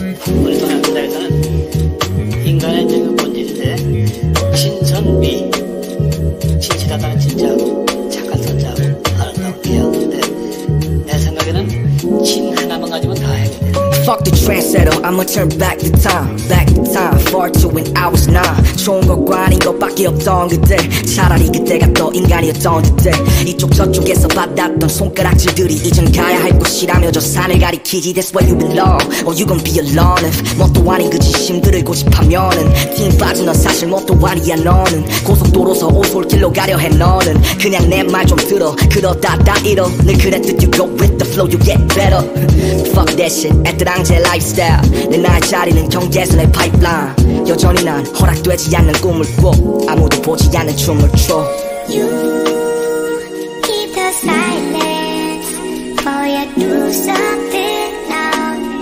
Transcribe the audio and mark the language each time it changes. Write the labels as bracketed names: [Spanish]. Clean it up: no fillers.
[Korean] 우리 동양인들에서는 인간의 지금 본질인데 신선미, 진실하다는 진짜고 착한 선자고 아름다운 태양인데 내 생각에는 진 하나만 가지면 다 해야 돼. [English] Fuck the trendsetter, I'ma turn back the time. Back the time, far to when I was nine. [Korean] 좋은 것과 아닌 것밖에 없던 그때. 차라리 그때가 더 인간이었던 듯해. 이쪽 저쪽에서 받았던 손가락질들이 이젠 가야 할 곳이라며 저 산을 가리키지. [English] That's where you belong, or you gon' be alone. [Korean] 뭣도 아닌 그 진심들을 고집하면은 팀 빠진 넌 사실 뭣도 아니야 너는. 고속도로서 오솔길로 가려 해 너는. 그냥 내 말 좀 들어, 그러다 다 잃어. 늘 그랬듯 [English] you go with the flow, you get better. Fuck that shit. [Korean] 애들랑 제 lifestyle 내 나의 자리는 경계선의 파이프라인. 여전히 난 허락되지 않는 꿈을 꾸 아무도 보지 않는 춤을 춰. [English] You keep the silence for you do something now.